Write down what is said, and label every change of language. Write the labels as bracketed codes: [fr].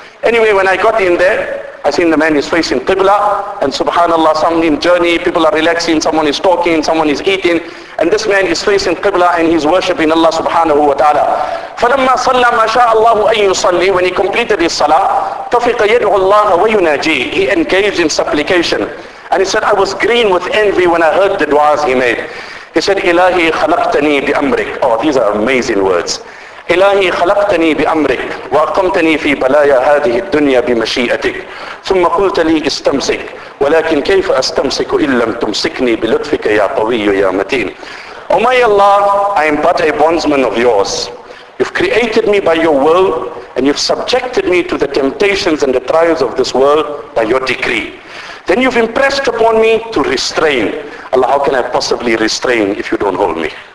[en] Anyway, when I got in there, I seen the man is facing Qibla, and subhanAllah, someone in journey, people are relaxing, someone is talking, someone is eating, and this man is facing Qibla and he's worshipping Allah subhanahu wa ta'ala. [ar] فَلَمَّا صَلَّى مَا شَاءَ اللَّهُ أَن يُصَلِّي, [en] when he completed his salah, [ar] تَفِقَ يَدْعُ اللَّهَ وَيُنَاجِي, [en] he engaged in supplication. And he said, I was green with envy when I heard the du'as he made. He said, [ar] إِلَهِ خَلَقْتَنِي بِأَمْرِكْ. [en] Oh, these are amazing words. [ar] إلهي خلقتني بأمرك وأقمتني في بلايا هذه الدنيا بمشيئتك ثم قلت لي استمسك ولكن كيف أستمسك إن لم تمسكني بلطفك يا قوي يا متين. [en] Oh my Allah, I am but a bondsman of yours. You've created me by your will and you've subjected me to the temptations and the trials of this world by your decree. Then you've impressed upon me to restrain. Allah, how can I possibly restrain if you don't hold me?